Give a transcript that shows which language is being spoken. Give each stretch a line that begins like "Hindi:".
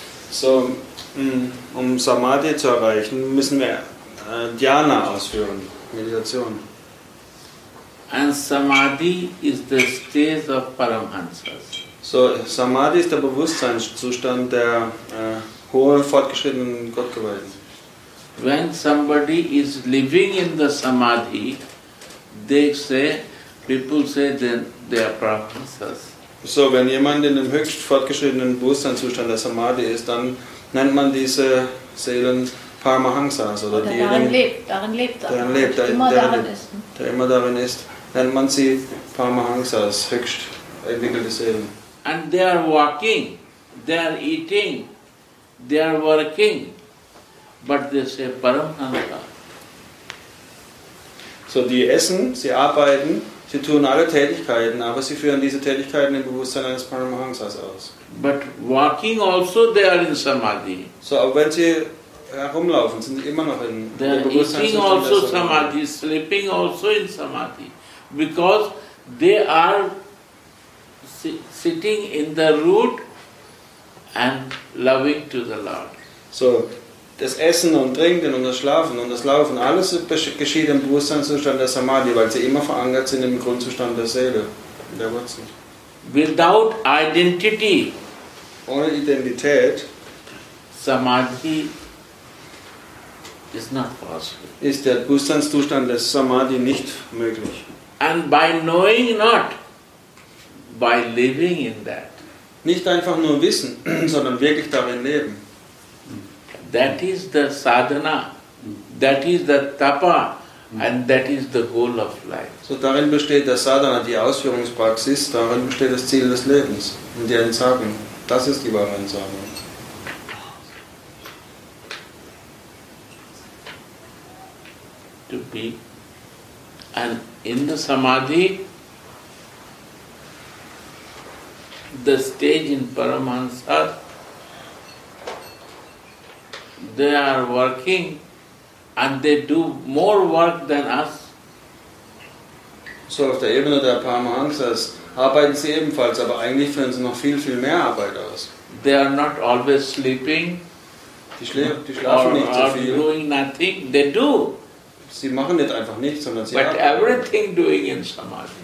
German: So, um samadhi zu erreichen, müssen wir dhyana ausführen, Meditation.
English: And samadhi is the state of paramhansas.
German: So, samadhi ist der Bewusstseinszustand der hohen fortgeschrittenen Gottgeweihten.
English: When somebody is living in the samadhi, people say they are paramhansas.
German: So, wenn jemand in dem höchst fortgeschrittenen Bewusstseinszustand der Samadhi ist, dann nennt man diese Seelen Paramahansas. Oder der darin lebt, der immer darin ist, nennt man sie Paramahansas, höchst entwickelte Seelen.
English: And they are walking, they are eating, they are working, but they say Paramahansa.
German: So, die essen, sie arbeiten. Sie tun alle Tätigkeiten, aber sie führen diese Tätigkeiten im Bewusstsein eines Paramahansas aus.
English: But walking also they are in samadhi.
German: So, aber wenn sie herumlaufen, sind sie immer noch in der Bewusstsein.
English: Eating also samadhi, sleeping also in samadhi, because they are sitting in the root and loving to the Lord.
German: So, das Essen und Trinken und das Schlafen und das Laufen, alles geschieht im Bewusstseinszustand der Samadhi, weil sie immer verankert sind im Grundzustand der Seele, in der Wurzel.
English: Without identity.
German: Ohne Identität.
English: Samadhi is not possible.
German: Ist der Bewusstseinszustand des Samadhi nicht möglich.
English: And by knowing not, by living in that.
German: Nicht einfach nur wissen, sondern wirklich darin leben.
English: That is the sadhana, that is the tapa, and that is the goal of life.
German: So darin besteht der sadhana, die Ausführungspraxis, darin besteht das Ziel des Lebens, in der Entsagung. Das ist die wahre Entsagung.
English: To be. And in the samadhi, the stage in Paramahansa, they are working and they do more work than us.
German: So auf der Ebene der Paramahansas arbeiten sie ebenfalls, aber eigentlich führen sie noch viel, viel mehr Arbeit aus.
English: They are not always sleeping.
German: Die schlafen nicht so viel.
English: Doing nothing. They do.
German: sie machen nicht einfach nichts, sondern sie arbeiten.
English: Everything doing in Samadhi.